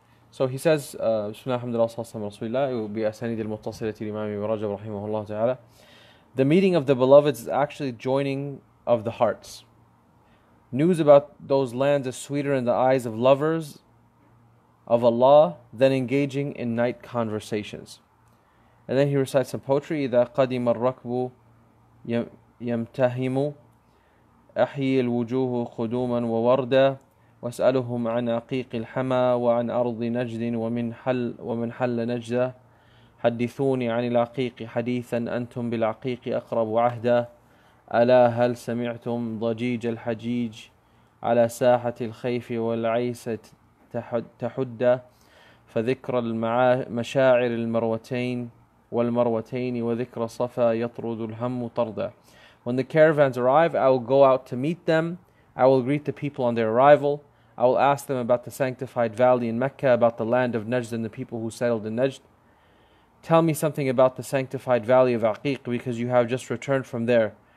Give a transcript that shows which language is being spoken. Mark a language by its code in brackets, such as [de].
[en] So he says, Bismillah alhamdulillah rasulillah, it will be asanid al-muttasilati imam ibn Rajab rahimahullah ta'ala. The meeting of the beloveds is actually joining of the hearts. News about those lands is sweeter in the eyes of lovers of Allah than engaging in night conversations. And then he recites some poetry, [ar] إِذَا قَدِمَ الرَّكْبُ يَمْتَهِمُ أَحْيِي الْوُجُوهُ خُدُومًا وَوَرْدًا وَاسْأَلُهُمْ عَنْ عَقِيقِ الْحَمَى وَعَنْ أَرْضِ نَجْدٍ وَمِنْ حَلَّ نَجْدًا حَدِّثُونِي عَنِ الْعَقِيقِ حَدِيثًا أَنْتُمْ بِالْعَقِيقِ أَقْرَبُ عَهْدًا أَلَا هَلْ سَمِعْتُمْ ضَجِيجَ الْحَجِيجِ عَلَى سَاحَةِ الْخَيْفِ وَالْعَيْسَ تَحُدَّ فَذِكْرَ الْمَشَاعِرِ والمروتين وذكر صفا يطرد الهم طردا. [en] When the caravans arrive, I will go out to meet them. I will greet the people on their arrival. I will ask them about the sanctified valley in Mecca, about the land of Najd and the people who settled in Najd. Tell me something about the sanctified valley of Aqiq, because you have just returned from there.